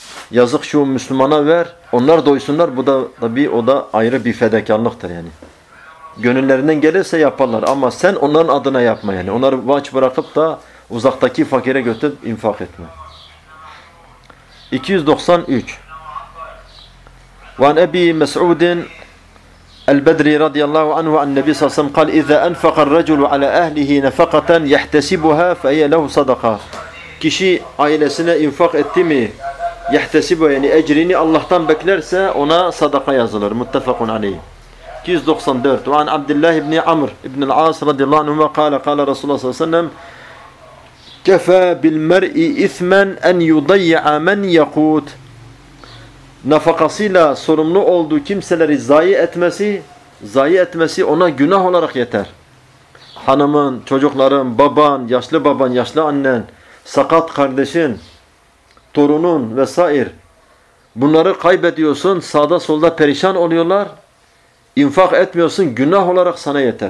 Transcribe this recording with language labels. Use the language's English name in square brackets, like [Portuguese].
[Turkish] Yazık şu Müslümana, ver. Onlar doysunlar. Bu da tabii, o da ayrı bir fedakarlıktır yani. Gönüllerinden gelirse yaparlar ama sen onların adına yapma yani. Onları aç bırakıp da uzaktaki fakire götürüp infak etme. 293. [Arabic] وعن أبي مسعود البدري رضي الله عنه عن النبي صلى الله عليه وسلم قال إذا أنفق الرجل على أهله نفقة يحتسبها فهي له صدقة. [Turkish] Kişi ailesine infak etti mi, yahtesibu yani ecrini Allah'tan beklerse ona sadaka yazılır. Muttefakun aleyh. 294. [Arabic] وعن عبد الله بن عمر بن العاص رضي الله عنهما قال قال رسول الله صلى الله عليه وسلم كفى بالمرء إثما أن يضيع من يقوت. [Turkish] Nafakasıyla sorumlu olduğu kimseleri zayi etmesi ona günah olarak yeter. Hanımın, çocukların, baban, yaşlı annen, sakat kardeşin, torunun vesaire. Bunları kaybediyorsun, sağda solda perişan oluyorlar. İnfak etmiyorsun, günah olarak sana yeter.